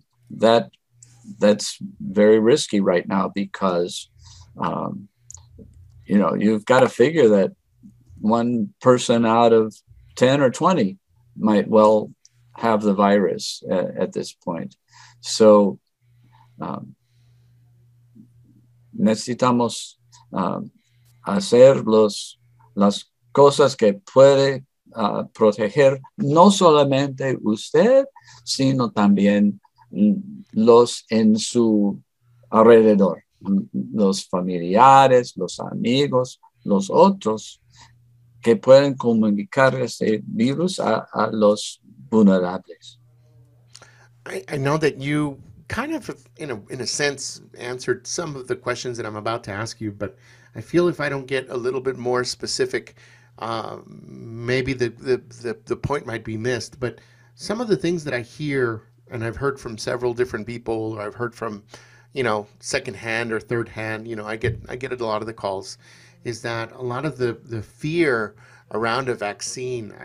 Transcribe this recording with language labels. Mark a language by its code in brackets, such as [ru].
[en] That's very risky right now because, you know, you've got to figure that one person out of 10 or 20 might well have the virus at this point. [es] So necesitamos hacer las cosas que puede proteger no solamente usted, sino también los en su alrededor, los familiares, los amigos, los otros que pueden comunicar ese virus a los vulnerables. [en] I know that you kind of, in a sense, answered some of the questions that I'm about to ask you, but I feel if I don't get a little bit more specific, maybe the point might be missed. But some of the things that I hear and I've heard from several different people, or I've heard from, you know, secondhand or third hand, you know, I get a lot of the calls, is that a lot of the fear around a vaccine.